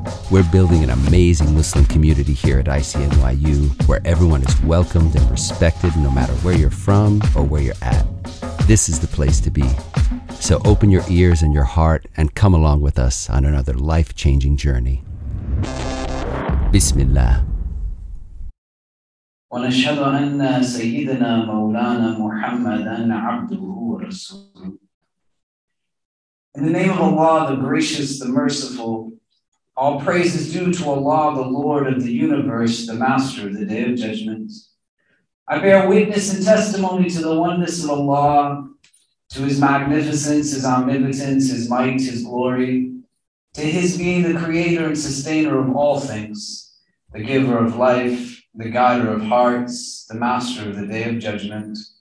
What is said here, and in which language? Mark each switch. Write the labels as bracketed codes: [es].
[en] We're building an amazing Muslim community here at ICNYU, where everyone is welcomed and respected no matter where you're from or where you're at. This is the place to be. So open your ears and your heart and come along with us on another life-changing journey. Bismillah. [ar] ونشهد أن سيدنا مولانا محمدًا عبده ورسوله. [en] In the name of Allah, the gracious, the merciful, all praise is due to Allah, the Lord of the universe, the master of the day of judgment. I bear witness and testimony to the oneness of Allah, to his magnificence, his omnipotence, his might, his glory, to his being the creator and sustainer of all things, the giver of life, the guider of hearts, the master of the day of judgment.